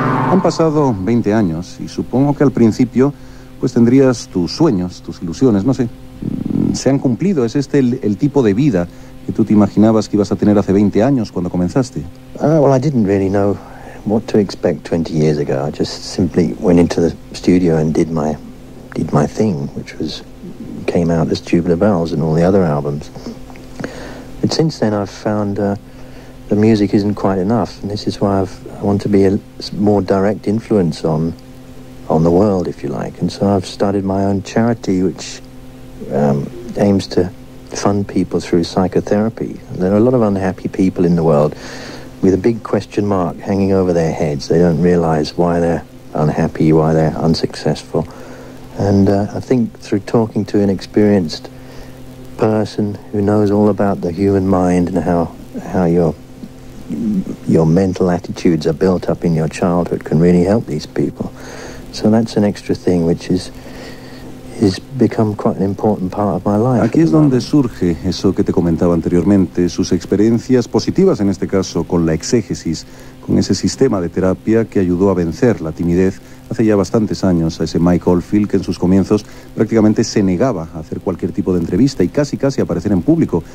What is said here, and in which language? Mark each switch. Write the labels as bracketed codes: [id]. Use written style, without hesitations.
[es] Han pasado 20 años y supongo que al principio pues tendrías tus sueños, tus ilusiones, no sé. ¿Se han cumplido? ¿Es este el tipo de vida que tú te imaginabas que ibas a tener hace 20 años cuando comenzaste? [en] I didn't really know what to expect 20 years ago. I just simply went into the studio and did my thing, which was came out as Tubular Bells and all the other albums. But since then I've found the music isn't quite enough, and this is why I want to be a more direct influence on the world, if you like. And so I've started my own charity, which aims to fund people through psychotherapy. And there are a lot of unhappy people in the world with a big question mark hanging over their heads. They don't realize why they're unhappy, why they're unsuccessful. And I think through talking to an experienced person who knows all about the human mind and how your mental attitudes are built up in your childhood can really help these people. So that's an extra thing which is become quite an important part of my life. [es] Aquí es donde surge eso que te comentaba anteriormente, sus experiencias positivas en este caso con la exégesis, con ese sistema de terapia que ayudó a vencer la timidez hace ya bastantes años a ese Mike Oldfield, que en sus comienzos prácticamente se negaba a hacer cualquier tipo de entrevista y casi casi a aparecer en público.